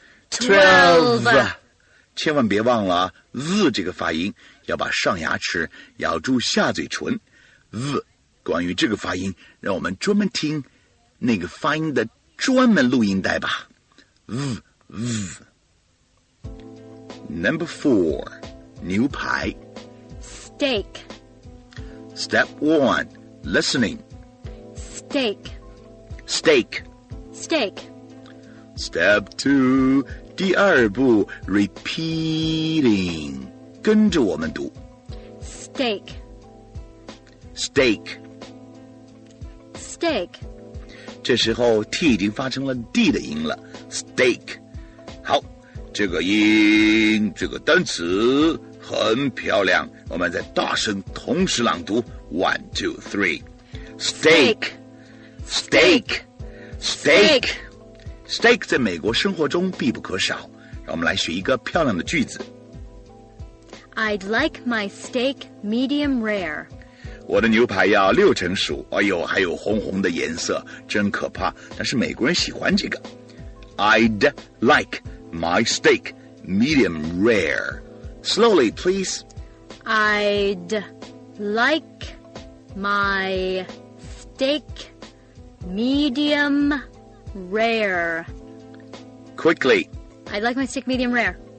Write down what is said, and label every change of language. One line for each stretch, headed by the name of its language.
English: twelve。
Chinese: 千万别忘了 z 这个发音，要把上牙齿咬住下嘴唇。 z 关于这个发音，让我们专门听那个发音的专门录音带吧。 z z。
English: Number four,
Chinese: 牛排。
English: Steak. Step 1. Listening. Steak. Steak. Steak. Step 2.
Chinese: 第二步
English: Repeating.
Chinese: 跟着我们读
English: Steak. Steak. Steak.
Chinese: 这时候 T 已经发成了 D 的音了
English: Steak.
Chinese: 好这个音这个单词很漂亮我们再大声同时朗读
English: One, two, three. Steak. Steak. Steak.
Chinese: Steak 在美国生活中必不可少让我们来学一个漂亮的句子
English: I'd like my steak medium rare
Chinese: 我的牛排要六成熟哎呦还有红红的颜色真可怕但是美国人喜欢这个
English: I'd like my steak medium rare Slowly, please. I'd like my steak medium rare. Quickly. I'd like my steak medium rare.